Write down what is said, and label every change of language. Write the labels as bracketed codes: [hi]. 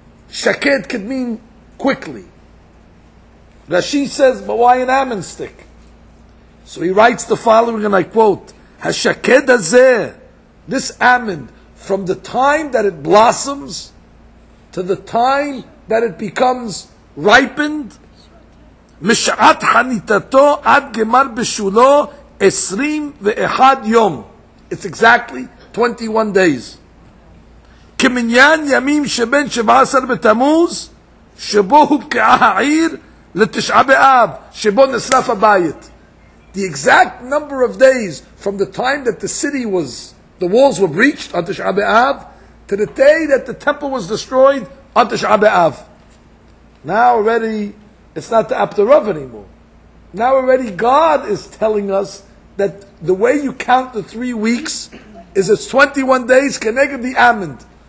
[en] Shaked could mean quickly. Rashi says, but why an ammon stick? So he writes the following, and I quote, [he] Hashaked hazeh, [en] this ammon, from the time that it blossoms to the time that it becomes ripened, [he] משעת חניתתו עד גמר בשולו 21 יום. [en] It's exactly 21 days. [he] כמניין ימים שבין 17 בתמוז, שבו הובקעה העיר לתשעה באב, שבו נשרף הבית. [en] The exact number of days from the time that the city was, the walls were breached on תשעה באב, to the day that the temple was destroyed on תשעה באב. Now already, it's not the Abderav anymore. Now already God is telling us that the way you count the 3 weeks is it's 21 days, Kenegad the Amund.